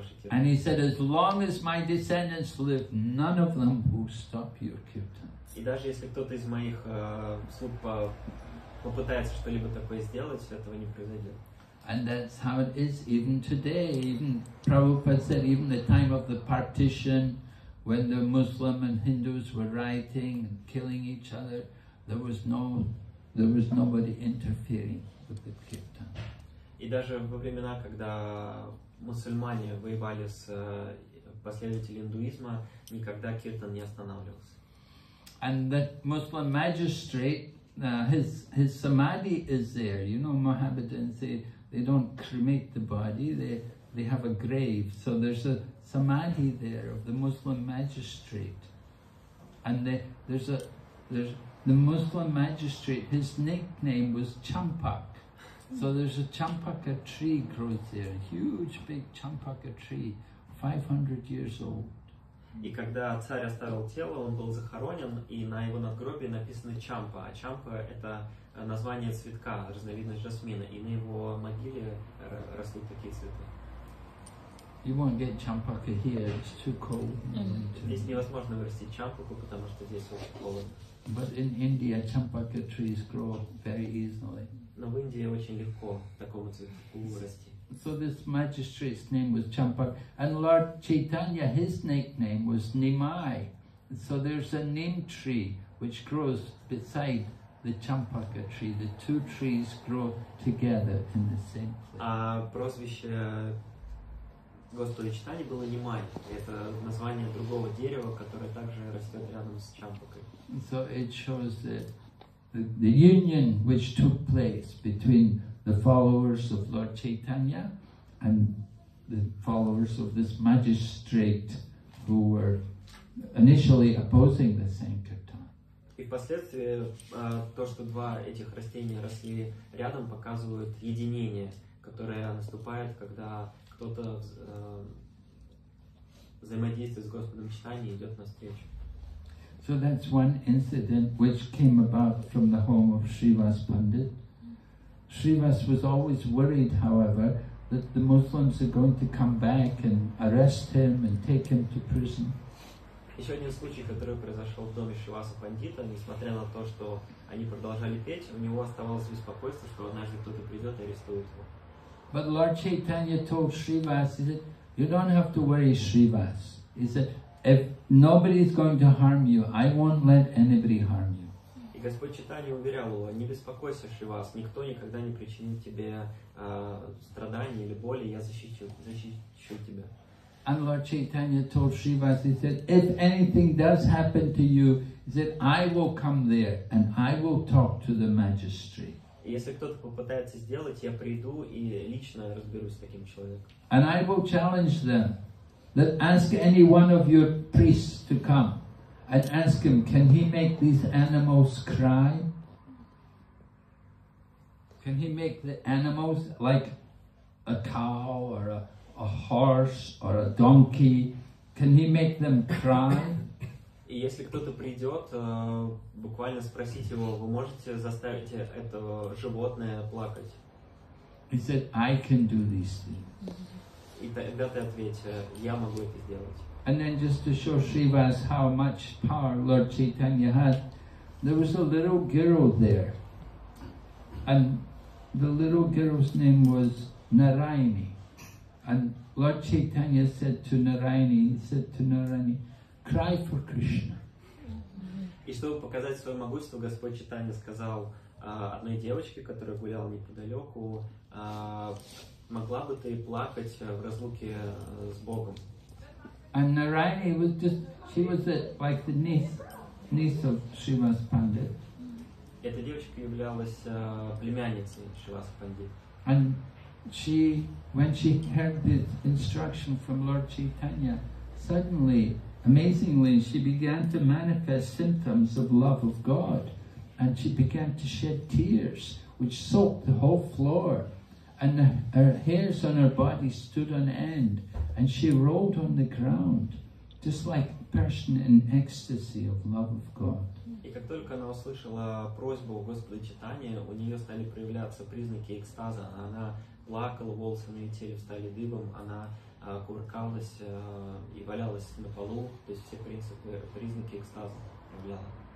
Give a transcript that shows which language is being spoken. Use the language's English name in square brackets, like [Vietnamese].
[English] And he said, as long as my descendants live, none of them will stop your kirtan. [Russian] И даже если кто-то из моих слуг попытается что-либо такое сделать, этого не произойдет. [English] And that's how it is even today. Even Prabhupada said, even the time of the partition, when the Muslim and Hindus were rioting and killing each other, there was nobody interfering with the kirtan. [Russian] И даже во времена, когда мусульмане воевали с последователями индуизма, никогда киртан не останавливался. [English] And the Muslim magistrate, his samadhi is there. You know, Mohammedans, they don't cremate the body, they have a grave. So there's a samadhi there of the Muslim magistrate. And the Muslim magistrate, his nickname was Champak. So there's a Champaka tree grows there, a huge big Champaka tree, 500 years old. [Russian] И когда царь оставил тело, он был захоронен, и на его надгробии написано Champa. А Champa — это название цветка, разновидность жасмина. И на его могиле растут такие цветы. [English] You won't get Champaka here, it's too cold. [Russian] Здесь невозможно вырастить Champaku, потому что здесь очень холодно. [English] But in India, champaka trees grow very easily. [Russian] Но в Индии очень легко такому цветку вырасти. [English] So this magistrate's name was Champak, and Lord Chaitanya, his nickname was Nimai. So there's a neem tree which grows beside the champaka tree. The two trees grow together in the same place. [Russian] Прозвище Господа Чайтаньи было Нимай. Это название другого дерева, которое также растет рядом с Чампакой. [English] So it shows the union which took place between the followers of Lord Chaitanya and the followers of this magistrate who were initially opposing the Sankirtan. [Russian] И впоследствии то, что два этих растения росли рядом, показывают единение, которое наступает, когда кто-то взаимодействует с Господом Чайтаньей идет навстречу. [English] So that's one incident which came about from the home of Srivas Pandit. Srivas was always worried, however, that the Muslims are going to come back and arrest him and take him to prison. [Russian] Еще один случай, который произошел в доме Шриваса Пандита, несмотря на то, что они продолжали петь, у него оставалось беспокойство, что однажды кто-то придет и арестует его. [English] But Lord Chaitanya told Srivas, he said, you don't have to worry, Srivas. He said, if nobody is going to harm you, I won't let anybody harm you. [Russian] И Господь Чайтанья уверял его, не беспокойся, Шривас, никто никогда не причинит тебе страданий или боли, я защищу тебя. [English] And Lord Chaitanya told Shrivas, he said, if anything does happen to you, he said, I will come there and I will talk to the magistrate. [Russian] Если кто-то попытается сделать, я приду и лично разберусь с таким человеком. [English] And I will challenge them, that ask any one of your priests to come. And ask him, can he make these animals cry? Can he make the animals like a cow or a horse or a donkey? Can he make them cry? [Russian] И если кто-то придет, буквально спросить его, вы можете заставить это животное плакать? [English] He said, I can do these things. [Russian] И тогда ты ответишь, я могу это сделать. [English] And then just to show Shrivas how much power Lord Chaitanya had, there was a little girl there. And the little girl's name was Naraini. And Lord Chaitanya said to Naraini, cry for Krishna. [Russian] И чтобы показать свое могущество, Господь Чайтанья сказал одной девочке, которая гуляла неподалеку, могла бы ты плакать в разлуке с Богом. [English] And Naraini was just, she was like the niece of Shrivas Pandit. [Russian] Эта девочка являлась племянницей Шривас Пандит. [English] And she, when she heard this instruction from Lord Chaitanya, suddenly, amazingly, she began to manifest symptoms of love of God. And she began to shed tears, which soaked the whole floor. And her hairs on her body stood on end. And she rolled on the ground, just like a person in ecstasy of love of God. [Russian] И как только она услышала просьбу Господа Чайтаньи, у нее стали проявляться признаки экстаза. Она плакала, волосы на ее теле стали дыбом, она кувыркалась и валялась на полу. То есть все признаки экстаза проявляла.